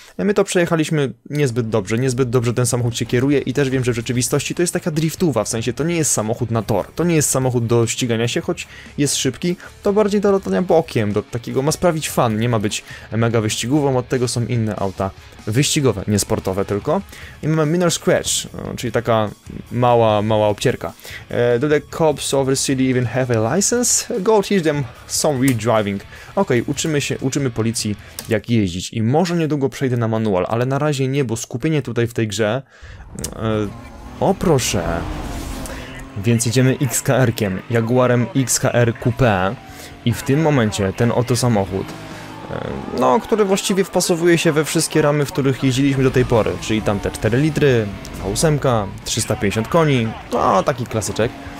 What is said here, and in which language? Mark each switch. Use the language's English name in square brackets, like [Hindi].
[Polish] My to przejechaliśmy niezbyt dobrze, ten samochód się kieruje i też wiem, że w rzeczywistości to jest taka driftuwa, w sensie to nie jest samochód na tor, to nie jest samochód do ścigania się, choć jest szybki, to bardziej do latania bokiem, do takiego, ma sprawić fun, nie ma być mega wyścigową, od tego są inne auta wyścigowe, nie sportowe tylko. I mamy Minor Scratch, czyli taka mała obcierka. [English] Do the cops over city even have a license? Go teach them some real driving. [Polish] Okej, okay, uczymy policji jak jeździć i może niedługo przejdę na manual, ale na razie nie, bo skupienie tutaj w tej grze... O proszę. Więc idziemy XKR-kiem, Jaguarem XKR Coupé i w tym momencie ten oto samochód, no, który właściwie wpasowuje się we wszystkie ramy, w których jeździliśmy do tej pory, czyli tamte 4 litry, V8, 350 koni, no, taki klasyczek.